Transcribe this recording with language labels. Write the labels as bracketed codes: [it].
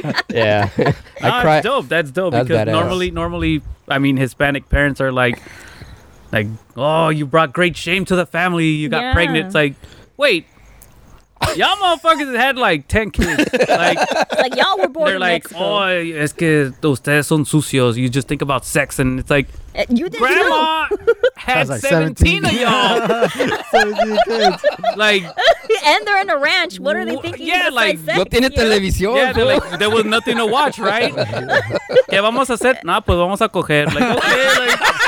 [en] Yeah. That's dope. That's because normally, I mean, Hispanic parents are like, oh, you brought great shame to the family. You got pregnant. It's like, wait. Y'all motherfuckers had like 10 kids. Like y'all were born. They're in like, Mexico. [es] Oh, es que ustedes son sucios. [en] You just think about sex, and it's like, you didn't grandma know. Had like 17 of y'all. 17 kids. Like, and they're in a ranch. What are they thinking? Yeah, like, [es] no tiene televisión. [en] Yeah, they're like, there was nothing to watch, right? [es] ¿Qué vamos a hacer? Nah, pues vamos a coger. [en] Like, okay, like.